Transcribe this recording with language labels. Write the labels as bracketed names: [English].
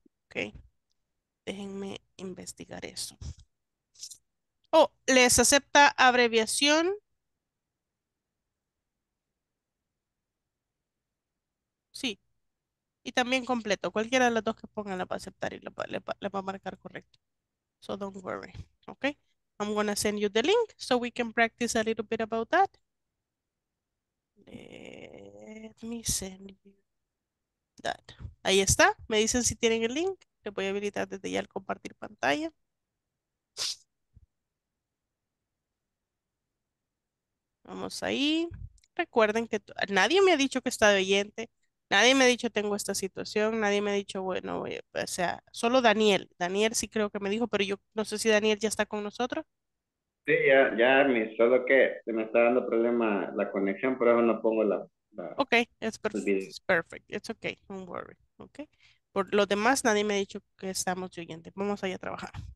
[Spanish] Ok, déjenme investigar eso. Oh, ¿les acepta abreviación? Sí. Y también completo. Cualquiera de las dos que pongan la va a aceptar y la va a marcar correcto. [English] So don't worry. Okay? I'm going to send you the link so we can practice a little bit about that. Let me send you that. [Spanish] Ahí está. Me dicen si tienen el link. Le voy a habilitar desde ya el compartir pantalla. Vamos ahí. Recuerden que nadie me ha dicho que está de oyente. Nadie me ha dicho tengo esta situación, nadie me ha dicho, bueno, oye, o sea, solo Daniel. Daniel sí creo que me dijo, pero yo no sé si Daniel ya está con nosotros. Sí, ya, ya, solo que se me está dando problema la conexión, por eso no pongo la... [English] Ok, it's perfect, it's perfect, it's okay, don't worry, okay. [Spanish] Por lo demás, nadie me ha dicho que estamos oyentes. Vamos allá a trabajar.